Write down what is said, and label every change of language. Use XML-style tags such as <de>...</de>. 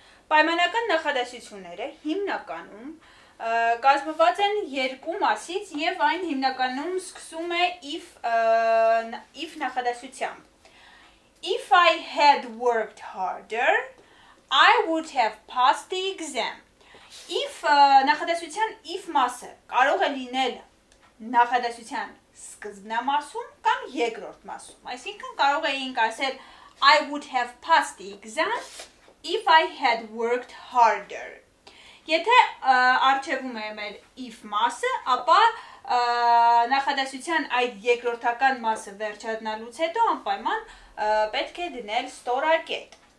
<hy>Պայմանական նախադասությունները հիմնականում կազմված են երկու մասից եւ այն հիմնականում սկսում է if նախադասությամբ.</hy> <en>If I had worked harder, I would have passed the exam.</en> <hy>If նախադասության if մասը կարող է լինել նախադասության սկզբնամասում կամ երկրորդ մասում, այսինքն կարող էինք ասել</hy> <en>I would have passed the exam if I had worked harder.</en> <hy>Եթե արջևում է մեր if մասը, ապա նախադասության այդ երկրորդական մասը վերջանալուց հետո անպայման պետք է դնել ստորակետ.</hy>